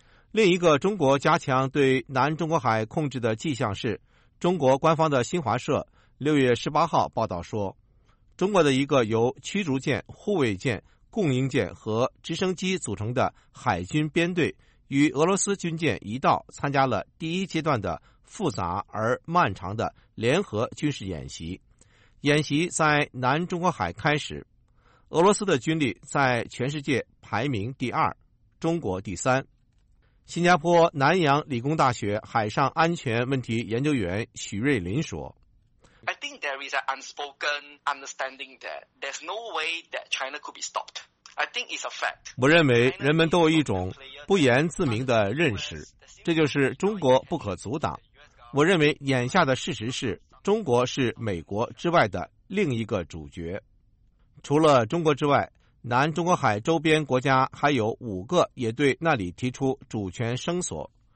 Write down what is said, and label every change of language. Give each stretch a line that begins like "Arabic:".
Chinese: 另一个中国加强对南中国海控制的迹象是，中国官方的新华社6月18号报道说，中国的一个由驱逐舰、护卫舰、供应舰和直升机组成的海军编队与俄罗斯军舰一道参加了第一阶段的复杂而漫长的联合军事演习。演习在南中国海开始，俄罗斯的军力在全世界排名第二，中国第三。新加坡南洋理工大学海上安全问题研究员许瑞林说，
English: I think there is an unspoken understanding that there's no way that China could be stopped. I think it's a fact.
Chinese: 我认为人们都有一种不言自明的认识，这就是中国不可阻挡。我认为眼下的事实是，中国是美国之外的另一个主角。除了中国之外，南中国海周边国家还有5个也对那里提出主权声索。